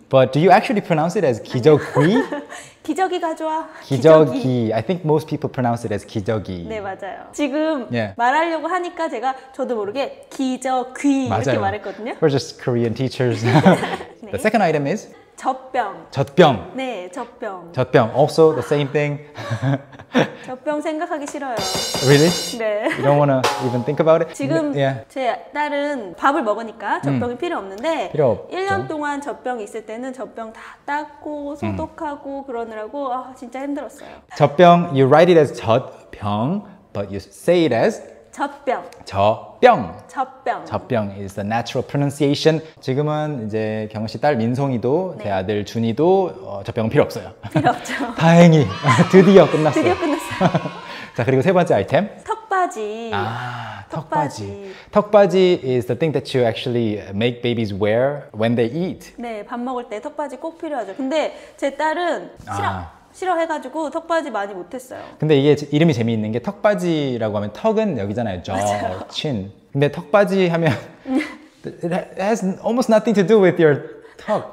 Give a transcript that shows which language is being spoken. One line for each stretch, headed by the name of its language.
English: But do you actually pronounce it as 기저귀?
Korean: 기저귀 가져와. 기저귀.
English: I think most people pronounce it as 기저귀.
Korean: 네, 맞아요. 지금 yeah. 말하려고 하니까 제가 저도 모르게 기저귀 이렇게 말했거든요.
English: We're just Korean teachers. 네. The second item is?
Korean: 젖병. 젖병. 네, 젖병. 젖병.
English: Also the same thing.
Korean: 젖병 생각하기 싫어요.
English: Really?
Korean: 네.
English: You don't wanna even think about it?
Korean: 지금 네. 제 딸은 밥을 먹으니까 젖병이 필요 없는데 필요 없죠. 1년 동안 젖병 있을 때는 젖병 다 닦고 소독하고 그러느라고 진짜 힘들었어요.
English: 젖병, you write it as 젖병, but you say it as
Korean: 젖병. 젖병. 젖병.
English: 젖병 is the natural pronunciation.
Korean: 지금은 이제 경은 씨 딸 민송이도 네. 제 아들 준이도 젖병은 필요 없어요. 필요 없죠. 다행히 드디어 끝났어요. 드디어 끝났어요. 자, 그리고 세 번째 아이템. 턱받이. 아, 턱받이.
English: 턱받이 is the thing that you actually make babies wear when they eat.
Korean: 네, 밥 먹을 때 턱받이 꼭 필요하죠. 근데 제 딸은 싫어. 싫어해가지고 턱받이 많이 못했어요. 근데 이게 이름이 재미있는 게 턱받이라고 하면 턱은 여기잖아요. 저, 맞아요.
English: 친.
Korean: 근데 턱받이 하면
English: it has almost nothing to do with your 턱.